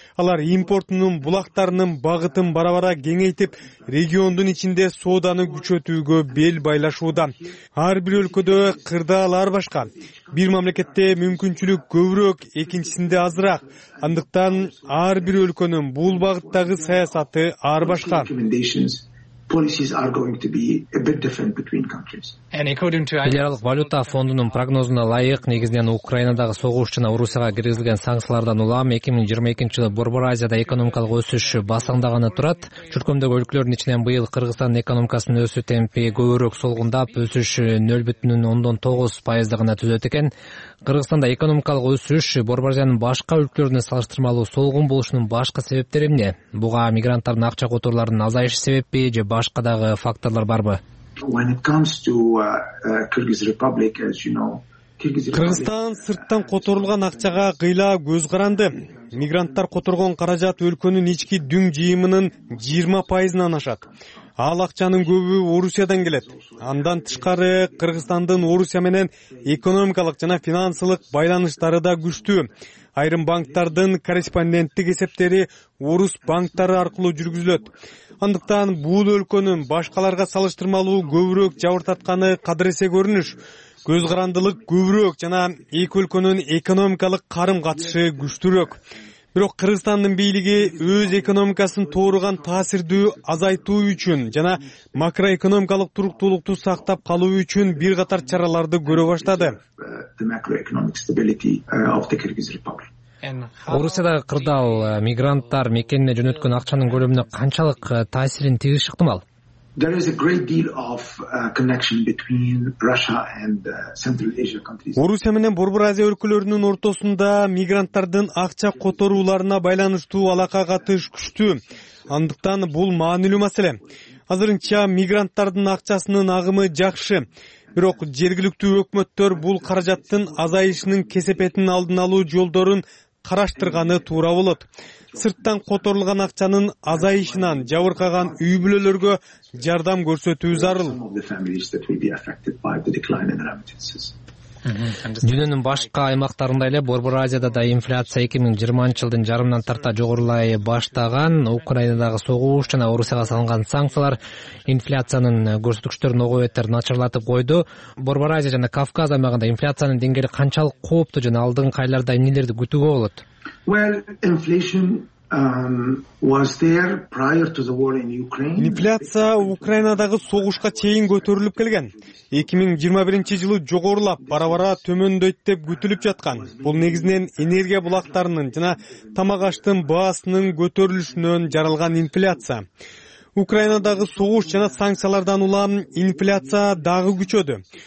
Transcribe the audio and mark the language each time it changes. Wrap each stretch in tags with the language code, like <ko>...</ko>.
<ky>Алар импортунун булактарынын багытын барабара кеңейтип, региондун ичинде сооданы күчөтүүгө бел байлашууда. Ар бир өлкөдө кырдаал ар башка. Бир мамлекетте мүмкүнчүлүк көбүрөөк, экинчисинде азыраак. Андыктан ар бир өлкөнүн бул багыттагы саясаты ар башка.</ky> <en>policies are going to be a bit different between countries. And according to</en> <ky>Халықаралык валюта фондунун прогнозуна ылайык, негизинен Украинадагы согуш жана Орусияга киргизилген санкциялардан улам 2022 жылы Борбор Азияда экономикалык өсүш басаңдаганы турат. Чүркөмдөгү өлкөлөрдүн ичинен быйыл Кыргызстандын экономикасынын өсүү темпи көбүрөөк солгундап, өсүш 0.9% гана түзөт экен. Кыргызстанда экономикалык өсүш Борбор Азиянын башка өлкөлөрүнө салыштырмалуу солгун болушунун башка себептери эмне? Буга мигранттардын акча которларынын азайышы себепби же башка дагы факторлор барбы?</ky> <en>When it comes to Kyrgyz Republic, as you know,</en> <ky>Кыргызстан сырттан которулган акчага кыйлаа көз каранды. Мигранттар которгон каражат өлкөнүн ички дүң жыйымынын 20%-нан ашат. Ал акчанын көбү Орусиядан келет. Андан тышкары Кыргызстандын Орусия менен экономикалык жана финансылык байланыштары да күчтүү. Айрым банктардын корреспонденттик эсептери орус банктары аркылуу жүргүзүлөт. Андыктан бул өлкөнүн башкаларга салыштырмалуу көбүрөөк жабыртатканы кадыресе көрүнүш. Көз карандылык көбүрөөк жана эки өлкөнүн экономикалык карым катышы күчтүүрөөк. Бирок Кыргызстандын бийлиги өз экономикасын тооруган таасирди азайтуу үчүн жана макроэкономикалык туруктуулукту сактап калуу үчүн бир катар чараларды көрө баштады. Орусиядагы кырдаал мигранттар мекенине жөнөткөн акчанын көлөмүнө канчалык таасирин тийгизиши ыктымал?</ky> <en>There is a great deal of connection between Russia and Central Asia countries.</en> <ky>Орусия менен Борбор Азия өлкөлөрүнүн ортосунда мигранттардын акча которууларына байланыштуу алака катыш күчтүү. Андыктан бул маанилүү маселе. Азырынча мигранттардын акчасынын агымы жакшы. Бирок жергиликтүү өкмөттөр бул каражаттын азайышынын кесепетин алдын алуу жолдорун караштырганы туура болот. Сырттан которулган акчанын азайышынан жабыркаган үй бүлөлөргө жардам көрсөтүү зарыл. Дүйнөнүн башка аймактарында эле Борбор Азияда да инфляция 2020 жылдын жарымынан тарта жогорулай баштаган. Украинадагы согуш жана Орусияга салынган санкциялар инфляциянын көрсөткүчтөрүн ого бетер начарлатып койду. Борбор Азия жана Кавказ аймагында инфляциянын деңгээли канчалык кооптуу жана алдыңкы айларда эмнелерди күтүүгө болот?</ky> <en>Well, inflation was there prior to the war in Ukraine.</en> <ky>Инфляция Украинадагы согушка чейин көтөрүлүп келген. 2021 жылы жогорулап, бара-бара төмөндөйт деп күтүлүп жаткан. Бул негизинен энергия булактарынын жана тамак аштын баасынын көтөрүлүшүнөн жаралган инфляция. Украинадагы согуш жана санкциялардан улам инфляция дагы күчөдү.</ky>